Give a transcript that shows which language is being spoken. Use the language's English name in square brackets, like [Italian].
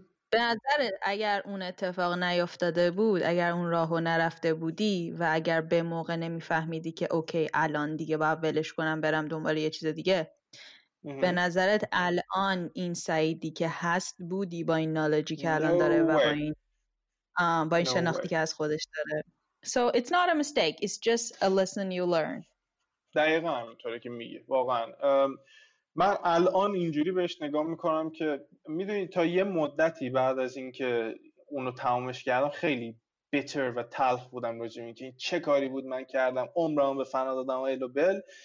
[Persian] به نظرت اگر اون اتفاق نیفتاده بود اگر اون راهو نرفته بودی و اگر به موقع نمیفهمیدی که اوکی الان دیگه باید ولش کنم برم دنبال یه چیز دیگه به نظرت الان این سعیدی که هست بودی با این نالجی که الان داره و با این شناختی که از خودش داره. [English] So it's not a mistake, it's just a lesson you learn. [Persian] دقیقا همینطوره که میگه واقعا. من الان اینجوری بهش نگاه میکنم که میدونی تا یه مدتی بعد از اینکه اونو تمومش کردم خیلی بیتر و تلخ بودم راجع به اینکه چه کاری بود من کردم عمرمو به فنا دادم و ایلو بل.